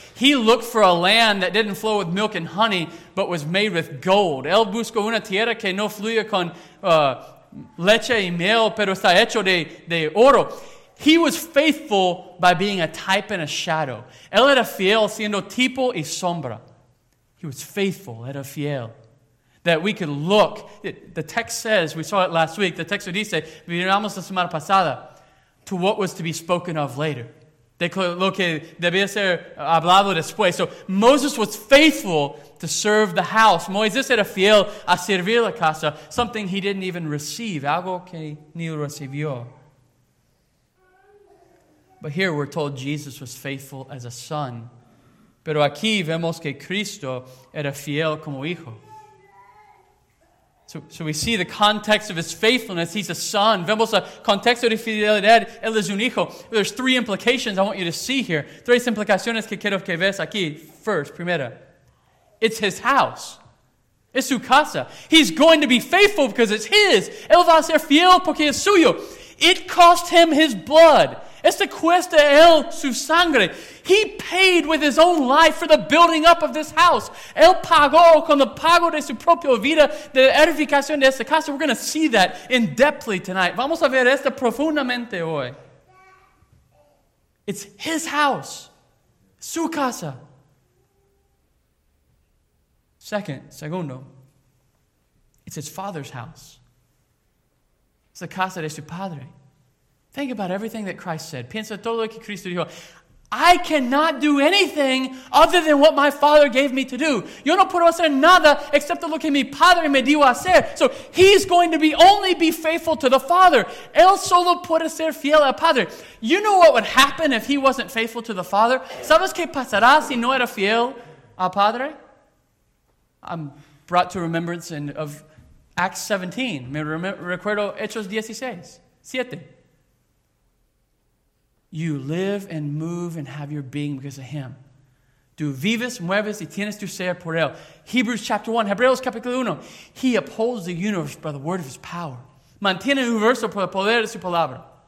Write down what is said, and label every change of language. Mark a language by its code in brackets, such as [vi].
[en] He looked for a land that didn't flow with milk and honey, but was made with gold. [es] Él buscó una tierra que no fluía con leche y miel, pero está hecho de oro. [en] He was faithful by being a type and a shadow. [es] Él era fiel siendo tipo y sombra. [en] He was faithful, [es] era fiel. [en] That we could look. The text says, we saw it last week, the [es] texto dice, miramos la semana pasada, [en] to what was to be spoken of later. [es] De lo que debía ser hablado después. [en] So Moses was faithful to serve the house. [es] Moisés era fiel a servir la casa. [en] Something he didn't even receive. [es] Algo que ni recibió. [en] But here we're told Jesus was faithful as a son. [es] Pero aquí vemos que Cristo era fiel como hijo. [en] So we see the context of his faithfulness. He's a son. [es] Vemos el contexto de fidelidad. Él es un hijo. [en] There's three implications I want you to see here. [es] Tres implicaciones que quiero que veas aquí. [en] First, [es] primera. [en] It's his house. [es] Es su casa. [en] He's going to be faithful because it's his. [es] Él va a ser fiel porque es suyo. [en] It cost him his blood. [es] Esto cuesta él su sangre. [en] He paid with his own life for the building up of this house. [es] Él pagó con el pago de su propia vida de edificación de esta casa. [en] We're going to see that in depthly tonight. [es] Vamos a ver esto profundamente hoy. [en] It's his house. [es] Su casa. Segundo. [en] It's his father's house. [es] Es la casa de su padre. [en] Think about everything that Christ said. [es] Piensa todo lo que Cristo dijo. [en] I cannot do anything other than what my father gave me to do. [es] Yo no puedo hacer nada excepto lo que mi padre me dio a hacer. [en] So he's going to only be faithful to the father. [es] Él solo puede ser fiel al padre. [en] You know what would happen if he wasn't faithful to the father? [es] ¿Sabes qué pasará si no era fiel al padre? [en] I'm brought to remembrance of Acts 17. [es] Recuerdo Hechos 16. 7. [en] You live and move and have your being because of him. [es] Tú vives, mueves y tienes tu ser por él. [en] Hebrews chapter 1, [es] Hebreos capítulo 1. [en] He upholds the universe by the word of his power. [es] Mantiene el universo por el poder de su palabra.